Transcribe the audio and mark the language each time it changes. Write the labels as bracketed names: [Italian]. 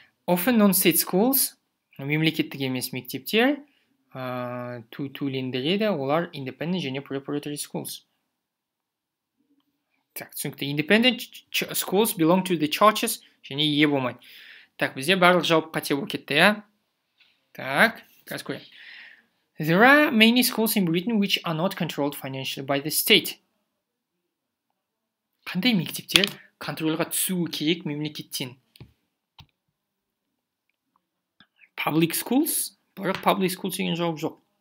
[English] Often non-state schools, [Kazakh] мемлекеттік емес мектептер, түлендіреді, олар independent және preparatory schools. Так, түсінікті. [English] Independent schools belong to the churches, [Kazakh] және ие болмайды. Так, бізде барлық жауап қате болып кетті, я? Так, қаз көре. [English] There are many schools in Britain which are not controlled financially by the state. [Kazakh] Қандай мектептер контрольға түсуі керек мемлекеттен? [English] Public schools? [Kazakh] Бірақ public schools деген жауап жоқ.